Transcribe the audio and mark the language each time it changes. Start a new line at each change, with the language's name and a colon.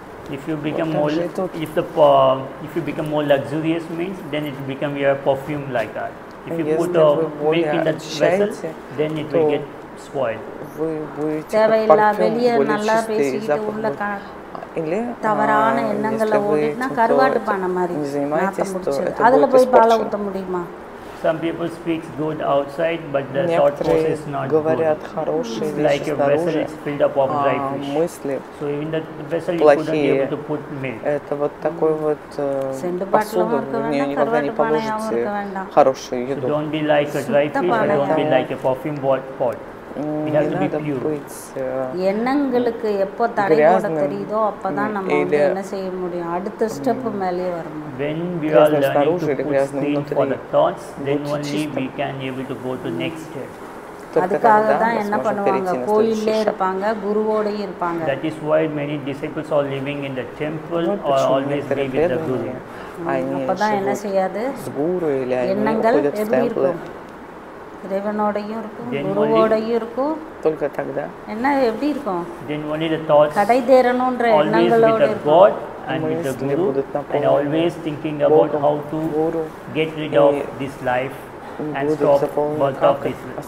English: If you become more luxurious means, then it will become your perfume like that. If you put a milk in that vessel, then it will get spoiled.
Tamil: தவறான எண்ணங்களை ஓடினா கருவாடு பானை மாதிரி அதுல போய் பாலை ஊத்த முடியுமா?
English: Some people speak good outside, but the thought process is not good. It's like a vessel is filled up of dry fish. So even the vessel you couldn't be able to put milk.
Russian: Это вот такой вот посуда, в нее никогда не положите хорошую еду.
English: So don't be like a dry fish, or don't be like a perfume pot. We have to be pure.
Tamil: எண்ணங்களுக்கு எப்போ தடை போட தெரியுதோ அப்பதான் நம்ம வந்து என்ன செய்ய முடியும் அடுத்த ஸ்டெப் மேலே வரணும்
English: when we are learning to put clean for the thoughts then only we can able to go to next step
Tamil: அதுக்காக தான் என்ன பண்ணுவாங்க கோயிலே இருப்பாங்க குருவோடு இருப்பாங்க
English: that is why many disciples are living in the temple or always be with the guru
Tamil: அப்பதான் என்ன செய்யாது குரு இல்ல எண்ணங்கள் எப்படி இருக்கும் தேவனோடையும் இருக்கும் குருவோடையும் இருக்கும் என்ன எப்படி இருக்கும் கடை தேரணுன்ற எண்ணங்களோட
English: And with the Guru, and always thinking about how to get rid of this life and stop birth of this